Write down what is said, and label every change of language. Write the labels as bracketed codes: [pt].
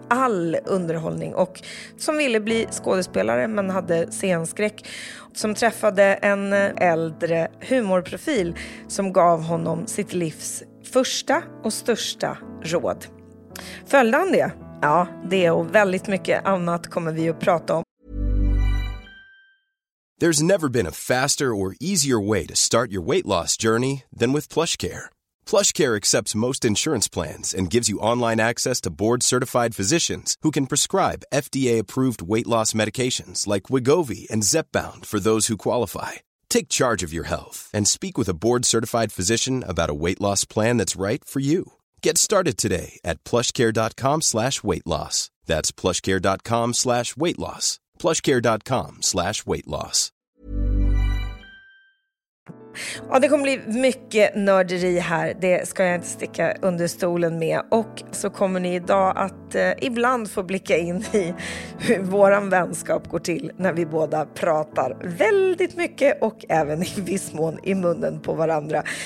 [sv] All underhållning. Och som ville bli skådespelare men hade scenskräck. Som träffade en äldre humorprofil som gav honom sitt livs första och största råd. Följde han det? Ja, det och väldigt mycket annat kommer vi att prata om. [en] There's never been a faster or easier way to start your weight loss journey than with PlushCare. PlushCare accepts most insurance plans and gives you online access to board-certified physicians who can prescribe FDA-approved weight loss medications like Wegovy and Zepbound for those who qualify. Take charge of your health and speak with a board-certified physician about a weight loss plan that's right for you. Get started today at plushcare.com/weightloss. That's plushcare.com/weightloss. plushcare.com/weightloss. [sv] Ja, det kommer bli mycket nörderi här. Det ska jag inte sticka under stolen med. Och så kommer ni idag att ibland få blicka in i hur våran vänskap går till när vi båda pratar väldigt mycket och även i viss mån i munnen på varandra.